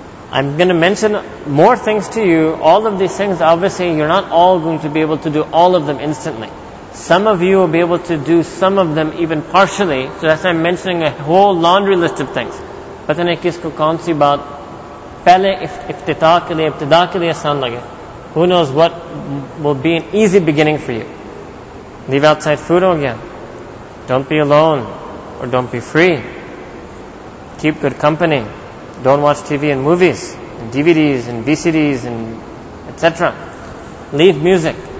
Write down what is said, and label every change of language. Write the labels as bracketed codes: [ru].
[en] I'm going to mention more things to you. All of these things, obviously, you're not all going to be able to do all of them instantly. Some of you will be able to do some of them even partially. So that's why I'm mentioning a whole laundry list of things. But then, [ur] کسکو کون سی بات پہلے افتتاح کے لیے آسان لگے۔ [en] Who knows what will be an easy beginning for you? Leave outside food again. Don't be alone. Or don't be free. Keep good company. Don't watch TV and movies, and DVDs and VCDs and etc. Leave music.